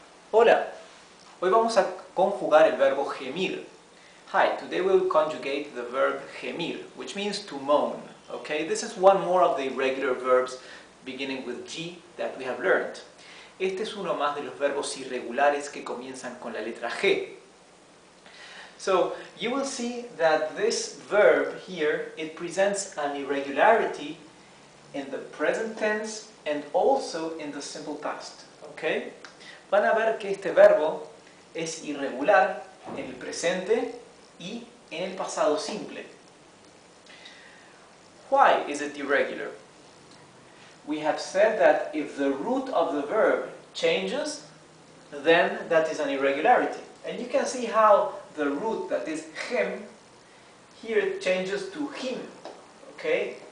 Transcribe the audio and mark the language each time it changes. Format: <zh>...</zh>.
<es>Hola, hoy vamos a conjugar el verbo gemir.</es> <en>Hi, today we'll conjugate the verb gemir, which means to moan, okay? This is one more of the irregular verbs beginning with G that we have learned.</en> <es>Este es uno más de los verbos irregulares que comienzan con la letra G.</es> <en>So, you will see that this verb here, it presents an irregularity in the present tense and also in the simple past, okay?</en> <es>Van a ver que este verbo es irregular en el presente y en el pasado simple.</es> <en>Why is it irregular? We have said that if the root of the verb changes, then that is an irregularity. And you can see how the root, that is gem, here it changes to gim, okay?</en>